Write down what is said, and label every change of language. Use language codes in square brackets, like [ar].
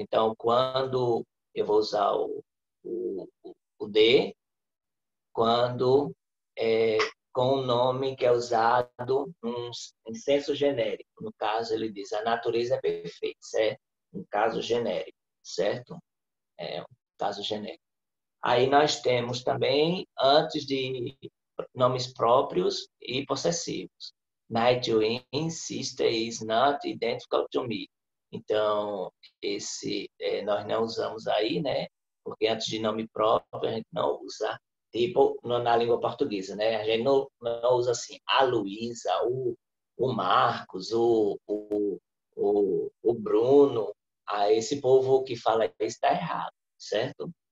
[pt] Então, quando eu vou usar o de, quando é com o um nome que é usado em senso genérico. No caso, ele diz a natureza é perfeita, certo? Um caso genérico, certo? É um caso genérico. Aí nós temos também, antes de nomes próprios e possessivos. [en] My twin sister is not identical to me. [pt] Então, esse nós não usamos aí, né? Porque antes de nome próprio, a gente não usa. Tipo, na língua portuguesa, né? A gente não usa assim, a Luísa, o Marcos, o Bruno. Esse povo que fala isso está errado, certo?